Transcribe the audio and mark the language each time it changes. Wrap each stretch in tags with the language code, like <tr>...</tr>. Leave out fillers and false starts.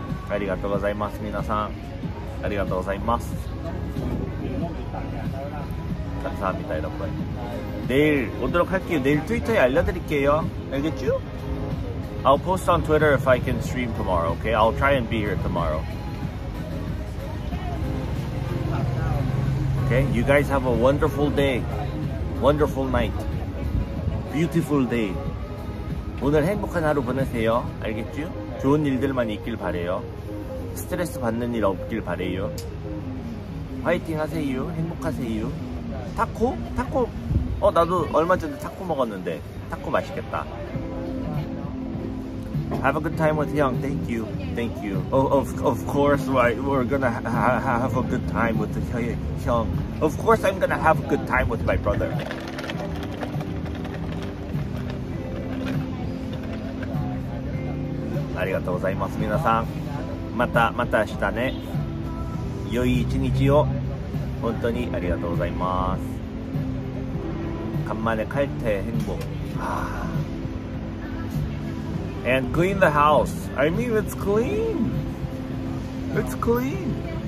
<ja>ありがとうございます、皆さん ありがとうございます</ja> <ko>감사합니다, 여러분 내일 오도록 할게요 내일 트위터에 알려드릴게요 알겠죠?</ko> <en>I'll post on Twitter if I can stream tomorrow, okay? I'll try and be here tomorrow Okay, you guys have a wonderful day Wonderful night Beautiful day</en> <ko>오늘 행복한 하루 보내세요 알겠죠? 좋은 일들만 있길 바래요 스트레스 받는 일 없길 바래요 화이팅 하세요 행복하세요 타코? 타코? 나도 얼마 전에 타코 먹었는데 타코 맛있겠다</ko> <en>Have a good time with Hyeong Thank you Thank you Of course we're gonna have a good time with Hyeong Of course I'm gonna have a good time with my brother</en> <ja>ありがとうございます 皆さん また明日ね 良い一日を 本当にありがとうございます</ja> <ko>간만에 갈 때 행복</ko> <en>And clean the house I mean it's clean It's clean</en>